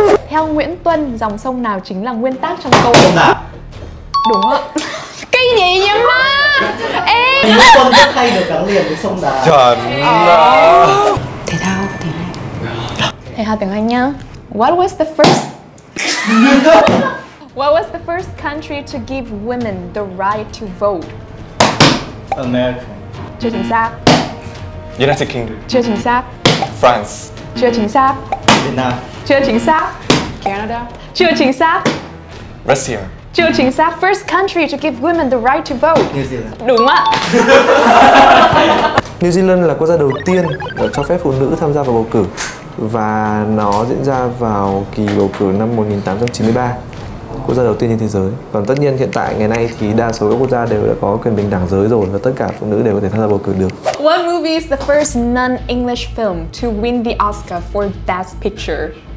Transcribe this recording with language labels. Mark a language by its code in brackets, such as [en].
[vi] Theo Nguyễn Tuân, dòng sông nào chính là nguyên tắc trong câu? Sông Đạp. Đúng ạ. Cái gì nhỉ má? Nguyễn Tuân rất hay được gắn liền với sông Đà. Trời ơi. Thể thao tiếng Anh. Thể thao tiếng Anh nhá. [en] What was the first What was the first country to give women the right to vote? America. [vi] Chưa chính xác. United Kingdom. Chưa chính xác. [en] France. [vi] Chưa chính xác. Việt Nam. Chưa chính xác. [en] Canada. [vi] Chưa chính xác. [en] Russia. [vi] Chưa chính xác. [en] First country to give women the right to vote. New Zealand. [vi] Đúng ạ. New Zealand là quốc gia đầu tiên cho phép phụ nữ tham gia vào bầu cử. Và nó diễn ra vào kỳ bầu cử năm 1893. Quốc gia đầu tiên trên thế giới. Còn tất nhiên hiện tại ngày nay thì đa số các quốc gia đều đã có quyền bình đẳng giới rồi và tất cả phụ nữ đều có thể tham gia bầu cử được. [en] What movie is the first non-English film to win the Oscar for Best Picture?